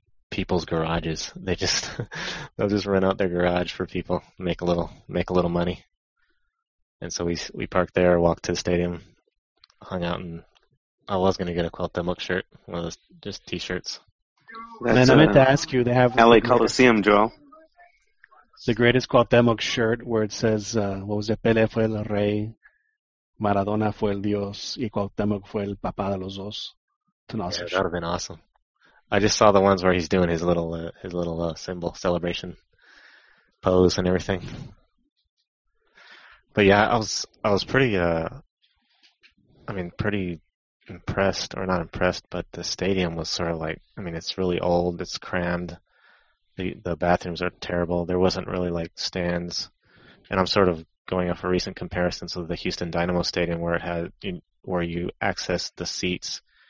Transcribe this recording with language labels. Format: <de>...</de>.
<en>people's garages. They'll just rent out their garage for people, make a little money. And so we parked there, walked to the stadium, hung out, and I was gonna get a Quelta Milk shirt, one of those just t-shirts. And then I meant to ask you, they have LA Coliseum, Joel. The greatest Quelta Milk shirt where it says what was it,</en> <es>Pele fue el rey, Maradona fue el Dios, y Quelta Milk fue el papá de los dos.</es> <en>It's an awesome shirt. That'd have been awesome. I just saw the ones where he's doing his little symbol celebration pose and everything. But yeah, I was pretty impressed, or not impressed, but the stadium was sort of like, I mean, it's really old, it's crammed, the bathrooms are terrible, there wasn't really like stands, and I'm sort of going off a recent comparison, so the Houston Dynamo Stadium where you access the seats.</en>